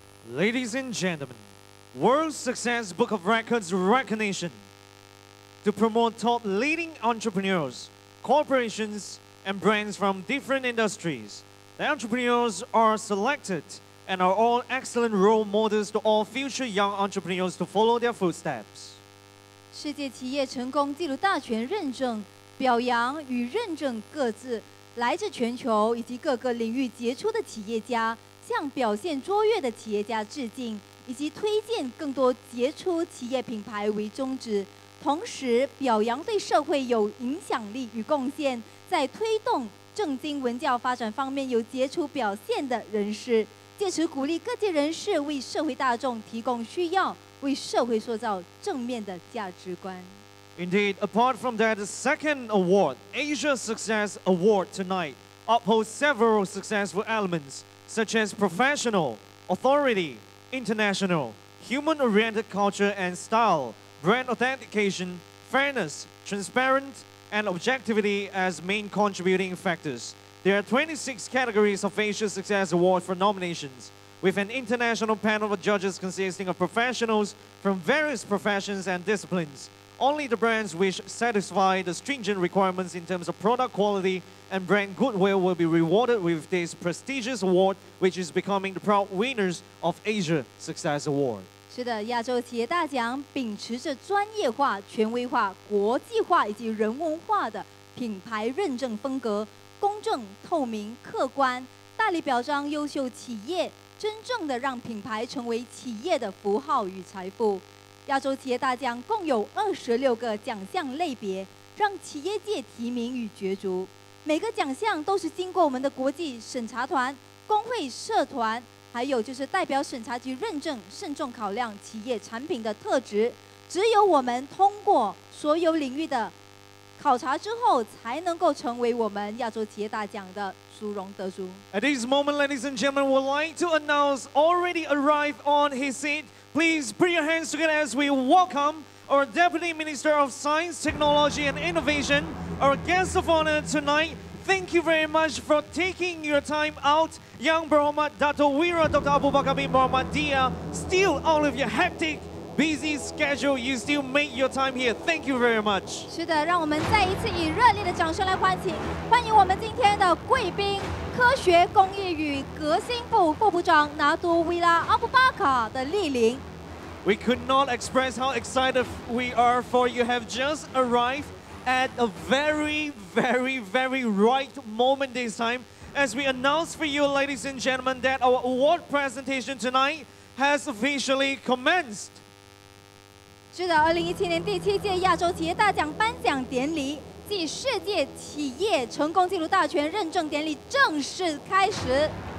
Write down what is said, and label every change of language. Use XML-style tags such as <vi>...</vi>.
<en>Ladies and gentlemen, World Success Book of Records recognition to promote top leading entrepreneurs, corporations, and brands from different industries. The entrepreneurs are selected and are all excellent role models to all future young entrepreneurs to follow their footsteps.</en> <zh>世界企业成功纪录大全认证、表扬与认证各自来自全球以及各个领域杰出的企业家。向表现卓越的企业家致敬，以及推荐更多杰出企业品牌为宗旨，同时表扬对社会有影响力与贡献，在推动政经文教发展方面有杰出表现的人士，借此鼓励各界人士为社会大众提供需要，为社会塑造正面的价值观。</zh> <en>Indeed, apart from that, the second award, Asia Success Award tonight, upholds several successful elements. Such as professional, authority, international, human-oriented culture and style, brand authentication, fairness, transparent, and objectivity as main contributing factors. There are 26 categories of Asia Success Award for nominations, with an international panel of judges consisting of professionals from various professions and disciplines. Only the brands which satisfy the stringent requirements in terms of product quality,and brand goodwill will be rewarded with this prestigious award, which is becoming the proud winners of Asia Success Award.</en> <zh>是的，亚洲企业大奖秉持着专业化、权威化、国际化以及人文化的品牌认证风格，公正、透明、客观，大力表彰优秀企业，真正的让品牌成为企业的符号与财富。亚洲企业大奖共有26个奖项类别，让企业界提名与角逐。每个奖项都是经过我们的国际审查团、工会、社团，还有就是代表审查局认证，慎重考量企业产品的特质。只有我们通过所有领域的考察之后，才能够成为我们亚洲企业大奖的殊荣得主。</zh> <en>At this moment, ladies and gentlemen, we'd like to announce already arrived on his seat. Please put your hands together as we welcome our Deputy Minister of Science, Technology and Innovation. Our guest of honor tonight, thank you very much for taking your time out, Yang Berhormat Dato' Wira Dr. Abu Bakar bin Muhammad Dia. Still, out of your hectic, busy schedule, you still make your time here. Thank you very much.</en> <zh>是的，让我们再一次以热烈的掌声来欢迎我们今天的贵宾，科学工业与革新部副部长拿督维拉阿布巴卡的莅临。</zh> <en>We could not express how excited we are for you have just arrived. At a very, very, very right moment this time, as we announce for you, ladies and gentlemen, that our award presentation tonight has officially commenced.</en> <zh>是的，2017年第七届亚洲企业大奖颁奖典礼暨世界企业成功纪录大全认证典礼正式开始。</zh>